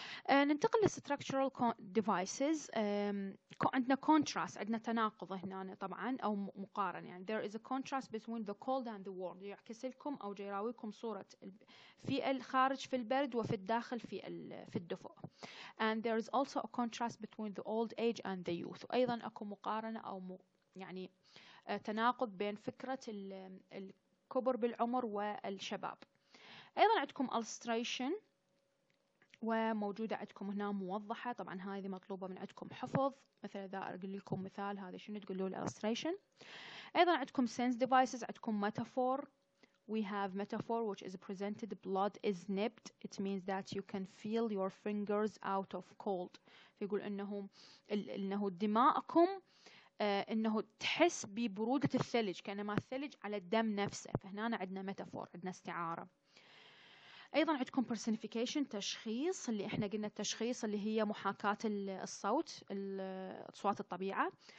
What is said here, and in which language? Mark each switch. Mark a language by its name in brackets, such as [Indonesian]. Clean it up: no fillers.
[Arabic] ننتقل للستركتشرال ديفايسز. عندنا كونتراست عندنا تناقض هنا طبعا أو مقارنة يعني [English] there is a contrast between the cold and the warm [Arabic] يعكس لكم أو جيراويكم صورة في الخارج في البرد وفي الداخل في الدفئ. [English] And there is also a contrast between the old age and the youth [Arabic] وأيضا أكو مقارنة أو يعني تناقض بين فكرة الكبر بالعمر والشباب. أيضا عندكم illustration وموجودة عندكم هنا موضحة. طبعا هذه مطلوبة من عندكم حفظ. مثلا إذا أقول لكم مثال هذا شنو تقولوا illustration. أيضا عندكم sense devices عندكم metaphor. [English] We have metaphor which is presented blood is nipped. It means that you can feel your fingers out of cold. [Arabic] فيقول إنه دماءكم إنه تحس ببرودة الثلج كأنما الثلج على الدم نفسه. فهنا عندنا ميتافور عندنا استعارة. أيضا عندكم personification تشخيص اللي إحنا قلنا التشخيص اللي هي محاكاة الصوت الصوت الطبيعة.